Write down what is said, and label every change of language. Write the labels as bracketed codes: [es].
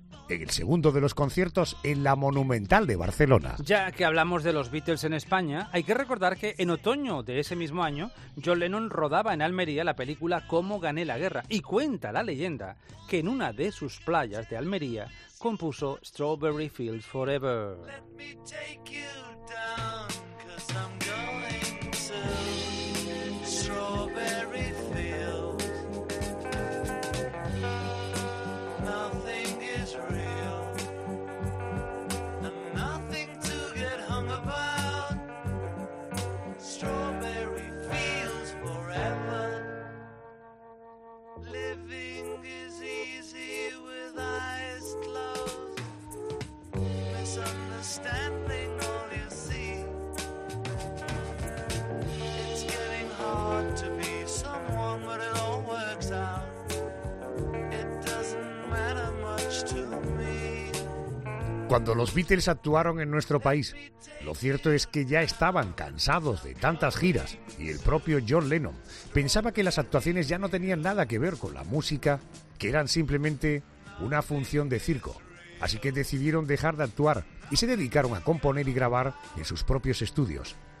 [es] En el segundo de los conciertos, en la Monumental de Barcelona. Ya que hablamos de los Beatles en España, hay que recordar que en otoño de ese mismo año, John Lennon rodaba en Almería la película Cómo gané la guerra. Y cuenta la leyenda que en una de sus playas de Almería compuso Strawberry Fields Forever. [en] Let me take you down, 'cause I'm going to Strawberry Fields. Nothing is real, and nothing to get hung about. Strawberry Fields Forever. Living is easy with eyes closed. Understanding all you see, it's getting hard to be someone, but it all works out. It doesn't matter much to me. [es] Cuando los Beatles actuaron en nuestro país, lo cierto es que ya estaban cansados de tantas giras y el propio John Lennon pensaba que las actuaciones ya no tenían nada que ver con la música, que eran simplemente una función de circo. así que decidieron dejar de actuar y se dedicaron a componer y grabar en sus propios estudios.